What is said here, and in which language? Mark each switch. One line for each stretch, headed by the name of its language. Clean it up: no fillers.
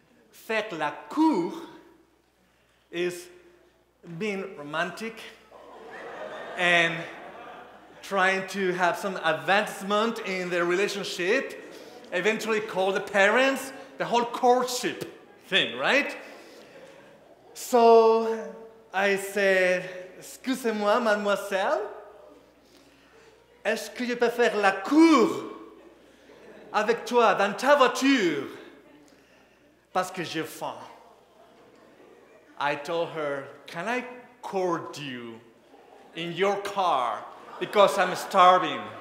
French: Faire la cour
English: is being romantic and trying to have some advancement in the relationship, eventually call the parents, the whole courtship thing, right? So I said,
French: excusez-moi, mademoiselle, est-ce que je peux faire la cour avec toi dans ta voiture? Parce que j'ai faim.
English: I told her, can I court you in your car? Because I'm starving.